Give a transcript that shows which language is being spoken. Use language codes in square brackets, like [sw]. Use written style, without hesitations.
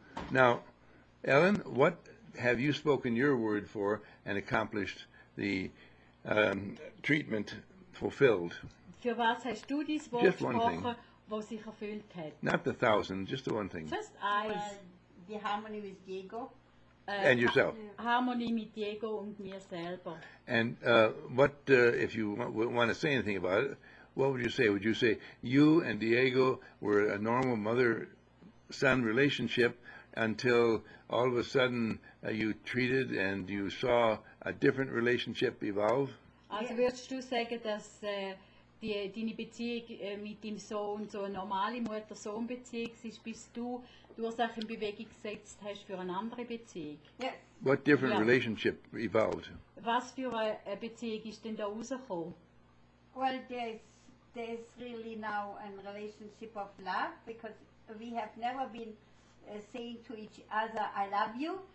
[en] Now, Ellen, what have you spoken your word for and accomplished the treatment fulfilled? [de] Für was hast du dieses Wort gesprochen, wo sich erfüllt hat? [en] Not the thousand, just the one thing. Just [de] eins. [en] The harmony with Diego. And yourself. [de] Harmony mit Diego und mir selber. [en] And if you want to say anything about it, what would you say? Would you say you and Diego were a normal mother-son relationship until all of a sudden you treated and you saw a different relationship evolve? [de] Also würdest du sagen, dass deine Beziehung mit dem Sohn so eine normale Mutter-Sohn-Beziehung ist, bis du die Ursache in Bewegung gesetzt hast für eine andere Beziehung? [en] Yes. What different relationship evolved? [de] Was für eine Beziehung ist denn da rausgekommen? [en] Well, there's really now a relationship of love, because we have never been saying to each other, I love you.